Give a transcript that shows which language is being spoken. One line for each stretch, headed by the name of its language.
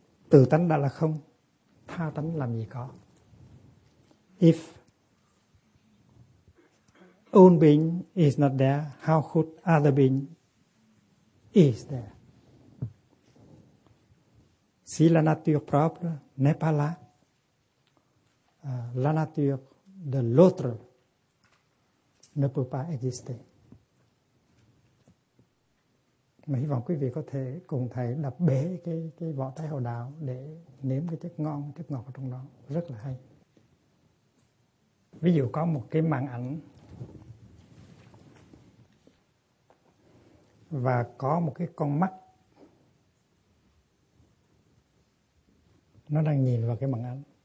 Vietnamese: Tự tánh đã là không, tha tánh làm gì có.
English: If own being is not there, how could other being is there?
French: Si la nature propre n'est pas là, la nature de l'autre ne peut pas exister.
Vietnamese: Mà hy vọng quý vị có thể cùng Thầy đập bể cái vỏ trái hồ đào để nếm cái chất ngọt ở trong đó. Rất là hay. Ví dụ có một cái màn ảnh và có một cái con mắt nó đang nhìn vào cái màn ảnh.